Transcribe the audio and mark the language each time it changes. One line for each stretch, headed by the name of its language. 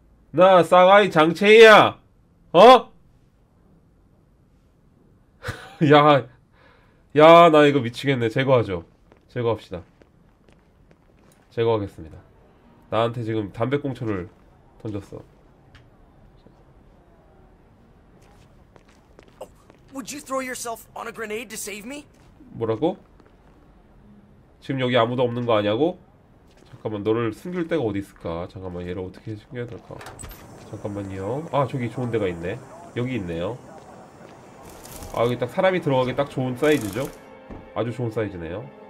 Korean: 나 싸가이 장채이야. 어? 야, 야, 나 이거 미치겠네. 제거하죠. 제거합시다. 제거하겠습니다. 나한테 지금 담배꽁초를 던졌어.
English: Would you throw yourself on a grenade to save me?
Korean: 뭐라고? 지금 여기 아무도 없는 거 아냐고? 잠깐만, 너를 숨길 데가 어디 있을까? 잠깐만, 얘를 어떻게 숨겨야 될까? 잠깐만요. 아, 저기 좋은 데가 있네. 여기 있네요. 아, 여기 딱 사람이 들어가기 딱 좋은 사이즈죠? 아주 좋은 사이즈네요.